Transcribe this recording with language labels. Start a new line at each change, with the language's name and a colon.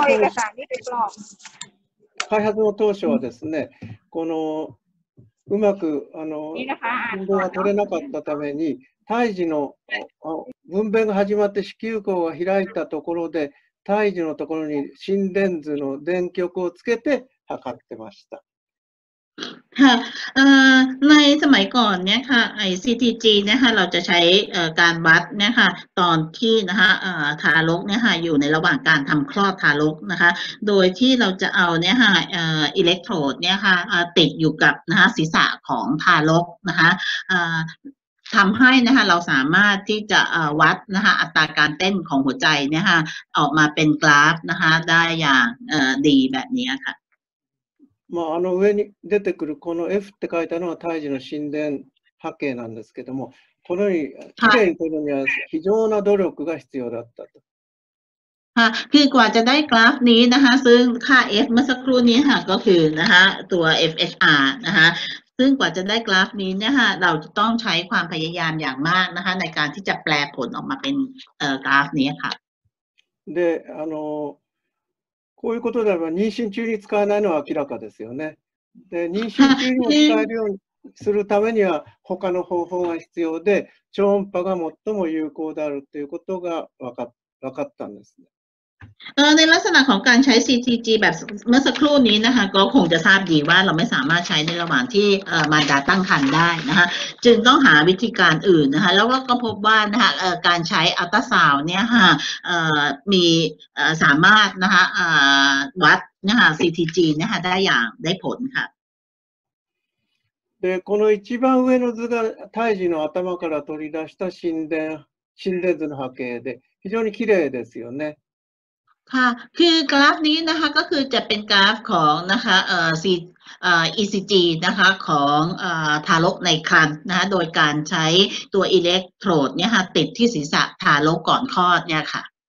Japanese: Kai Hatsu の当初はですね、このうまく運動が取れなかったために、胎児の分娩が始まって子宮口が開いたところで、胎児のところに心電図の電極をつけて測ってました。
Thai: ในสมัยก่อนเนี่ยค่ะไอ้ CTG นะคะเราจะใช้การวัดเนี่ยค่ะตอนที่นะคะทารกเนี่ยค่ะอยู่ในระหว่างการทำคลอดทารกนะคะโดยที่เราจะเอาเนี่ยค่ะอิเล็กโทรดเนี่ยค่ะติดอยู่กับนะคะศีรษะของทารกนะคะทำให้นะคะเราสามารถที่จะวัดนะคะอัตราการเต้นของหัวใจเนี่ยค่ะออกมาเป็นกราฟนะคะได้อย่างดีแบบนี้ค่ะ
Japanese: まあ、上に出てくるこの F って書いたのは胎児の心電波形なんですけども、このように綺麗に取るには非常な努力が必要だったと。
Thai: はい、คือกว่าจะได้กราฟนี้นะคะซึ่งค่า F เมื่อสักครู่นี้ค่ะก็คือนะคะตัว FHR นะคะซึ่งกว่าจะได้กราฟนี้เนี่ยค่ะเราจะต้องใช้ความพยายามอย่างมากนะคะในการที่จะแปลผลออกมาเป็นกราฟนี้ค่ะ
Japanese: で、こういうことであれば妊娠中に使えないのは明らかですよね。で、妊娠中にも使えるようにするためには他の方法が必要で、超音波が最も有効であるということが分かったんですね。
Thai: ในลักษณะของการใช้ CTG แบบเมื่อสักครู่นี้นะคะก็คงจะทราบดีว่าเราไม่สามารถใช้ในระหว่างที่มารดาตั้งครรภ์ได้นะคะจึงต้องหาวิธีการอื่นนะคะแล้วก็พบว่านะคะการใช้อัลตราซาวด์เนี่ยค่ะมีสามารถนะคะวัดนะคะ CTG นะคะได้อย่างได้ผลค่ะ
Japanese: で、この一番上の図が胎児の頭から取り出した心電図の波形で非常に綺麗ですよね。
Thai: ค่ะคือกราฟนี้นะคะก็คือจะเป็นกราฟของนะคะECG นะคะของทารกในครรภ์นะคะโดยการใช้ตัวอิเล็กโทรดเนี่ยค่ะติดที่ศีรษะทารกก่อนคลอดเนี่ยค่ะ